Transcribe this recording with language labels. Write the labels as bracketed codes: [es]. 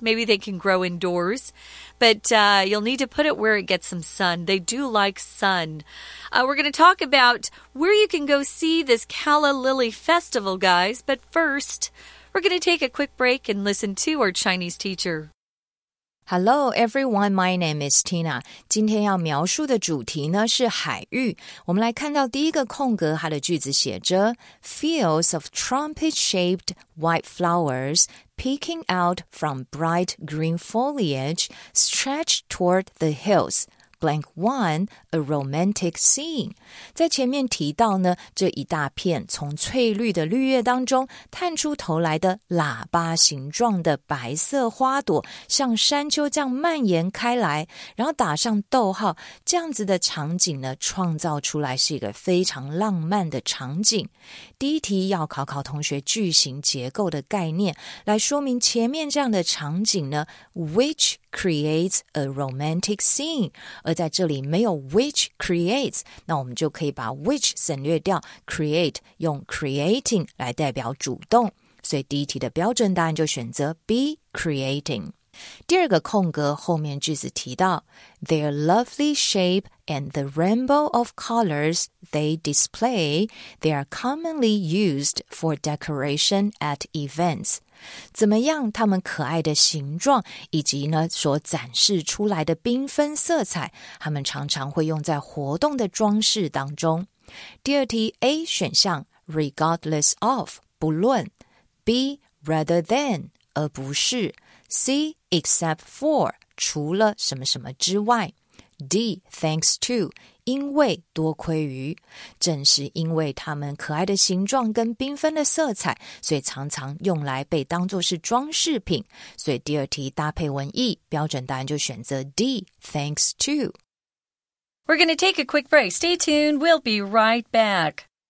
[en] Maybe they can grow indoors, but you'll need to put it where it gets some sun. They do like sun. We're going to talk about where you can go see this calla lily festival, guys. But first, we're going to take a quick break and listen to our Chinese teacher. Hello, everyone. My name is Tina. [zh] 今天要描述的主题呢是海域。我们来看到第一个空格，它的句子写着 [en] Fields of trumpet-shaped white flowers peeking out from bright green foliage stretch toward the hills. Blank one, a romantic scene. [zh] 在前面提到呢，这一大片从翠绿的绿叶当中探出头来的喇叭形状的白色花朵，像山丘这样蔓延开来，然后打上逗号，这样子的场景呢，创造出来是一个非常浪漫的场景。第一题要考考同学句型结构的概念，来说明前面这样的场景呢 ， [en] which creates a romantic scene。 [zh] 而在这里没有 [en] which creates， [zh] 那我们就可以把 which 省略掉 ，create 用 creating 来代表主动。所以第一题的标准答案就选择 B creating。第二个空格后面句子提到 ， [en] their lovely shape and the rainbow of colors they display， they are commonly used for decoration at events。 [zh] 怎么样？他们可爱的形状以及呢所展示出来的缤纷色彩，他们常常会用在活动的装饰当中。第二题 A 选项 ，regardless of 不论 ；B rather than 而不是 ；C except for 除了什么什么之外 ；D thanks to 因为多亏于，正是因为它们可爱的形状跟缤纷的色彩，所以常常用来被当作是装饰品。所以第二题搭配文意，标准答案就选择 D, thanks to. [en] We're going to take a quick break. Stay tuned. We'll be right back.